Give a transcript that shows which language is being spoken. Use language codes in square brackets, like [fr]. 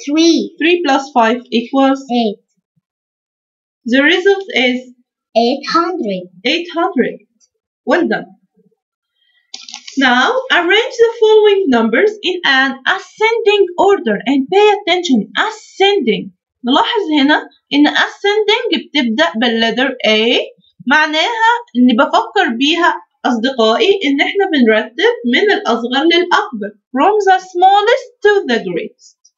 [en] 3. 3 plus 5 equals? 8. The result is? 800. Well done. Now, arrange the following numbers in an ascending order. And pay attention. Ascending. [ar] نلاحظ هنا إن ascending بتبدأ بالletter A. معناها إن بفكر بيها أصدقائي إن إحنا بنرتب من الأصغر للأكبر. [en] From the smallest to the greatest.